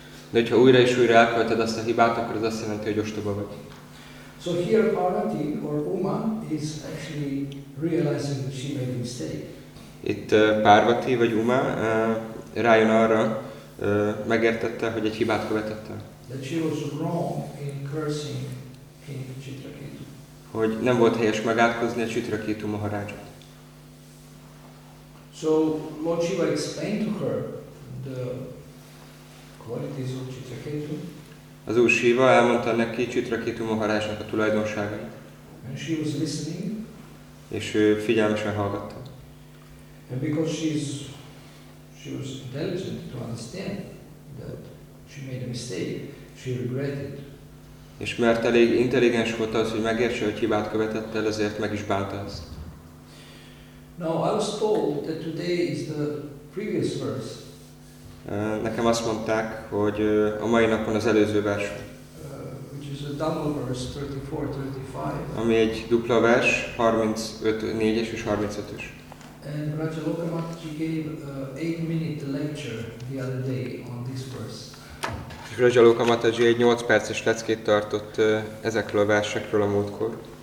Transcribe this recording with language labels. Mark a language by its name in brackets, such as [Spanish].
[Hungarian] De hogyha újra és újra elköveted azt a hibát, akkor az azt jelenti, hogy ostoba vagy. [English] So here Parvati or Uma is actually realizing that she made a mistake. [Hungarian] Itt Parvati vagy Uma rájön arra, megértette, hogy egy hibát követett el. [English] That she was wrong in cursing King Chitraketu. [Hungarian] Hogy nem volt helyes megátkozni a Csitraketu Maharádzsát. [English] So Lord Shiva explained to her the qualities of Chitraketu. [Hungarian] Az Úr Shiva elmondta neki Csitraketu Maharádzsának a tulajdonságait. [English] And she was listening. [Hungarian] És ő figyelmesen hallgatta. [English] And because she was intelligent to understand that she made a mistake, she regretted. [Hungarian] És mert elég intelligens volt az, hogy megértse, hogy hibát követett el, ezért meg is bánta ezt. [English] Now, I was told that today is the previous verse. [Hungarian] Nekem azt mondták, hogy a mai napon az előző vers. [English] Which is a double verse, 34-35. [Hungarian] Ami egy dupla vers, 34-es és 35-ös. [English] And Raja Lokamatji gave an 8-minute lecture the other day on this verse. [Hungarian] Raja Lokamataji egy 8 perces leckét tartott ezekről a versekről a múltkor.